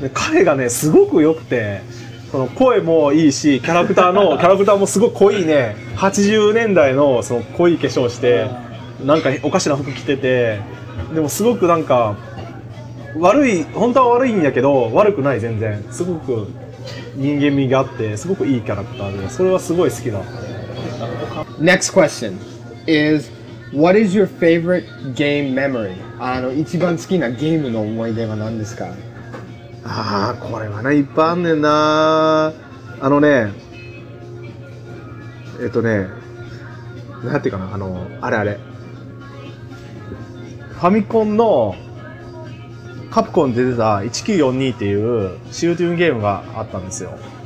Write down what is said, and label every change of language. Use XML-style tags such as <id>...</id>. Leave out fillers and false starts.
<ja>で彼がねすごく良くて、その声もいいし、キャラクターのキャラクターもすごく濃いね80年代 の、 その濃い化粧して、なんかおかしな服着てて、でもすごくなんか悪い、本当は悪いんやけど悪くない、全然すごく人間味があってすごくいいキャラクターで、それはすごい好きだ。</ja> <en>Next question is, what is your favorite game memory?</en> <ja>一番好きなゲームの思い出は何ですか？ああ、これはね、いっぱいあんねんな。なんていうかな、あれあれ。ファミコンのカプコンで出てた1942っていうシューティングゲームがあったんですよ。</ja>